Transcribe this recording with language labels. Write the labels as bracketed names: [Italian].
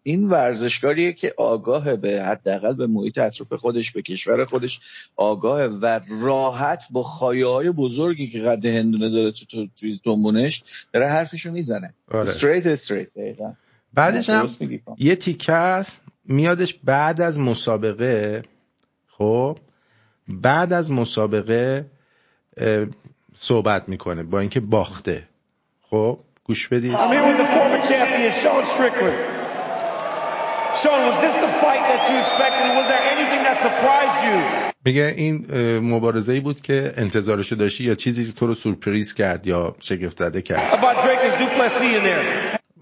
[Persian] این ورزشکاریه که آگاه به حداقل به محیط اطراف خودش، به کشور خودش آگاه و راحت با خایه‌های بزرگی که قد هندونه داره تو تنبونش داره حرفشو میزنه. [English] Street street. [Persian] بعدش هم یه تیکه است میادش بعد از مسابقه. خب بعد از مسابقه صحبت میکنه با اینکه باخته. خب گوش بدید. [English] I'm here with the former champion Sean Strickland. Sean, was this the fight that you expected? Was there anything that surprised you? [Persian] میگه این مبارزه‌ای بود که انتظارشو داشتی یا چیزی تو رو سورپرایز کرد یا شگفت‌زده کرد؟ [English] About Drake and Duplessis in there.